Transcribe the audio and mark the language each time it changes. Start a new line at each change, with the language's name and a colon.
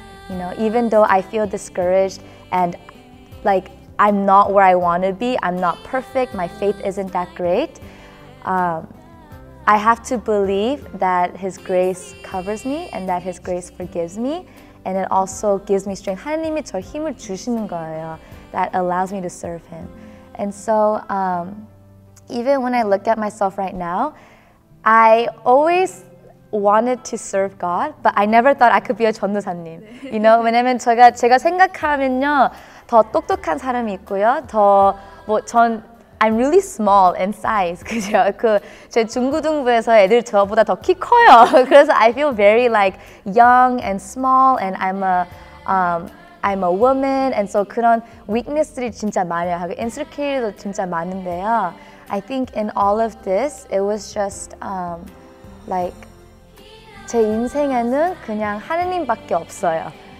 English: You know, even though I feel discouraged and like I'm not where I want to be, I'm not perfect, my faith isn't that great. I have to believe that His grace covers me and that His grace forgives me and it also gives me strength.
Korean: 하나님이 저 힘을 주시는 거예요.
English: That allows me to serve Him. And so even when I look at myself right now, I always wanted to serve God, but I never thought I could be a 전도사님. You know,
Korean: 왜냐면 제가 생각하면요, 더 똑똑한 사람이 있고요. 더 뭐 전
English: I'm really small in size,
Korean: 그죠? 그 제 중고등부에서 애들 저보다 더 키 커요.
English: 그래서 I feel very like young and small, and I'm a woman, and so
Korean: 그런 weakness들이 진짜 많아요. 하고 insecurity도 진짜 많은데요.
English: I think in all of this, it was just like
Korean: 제 인생에는 그냥 하느님밖에 없어요.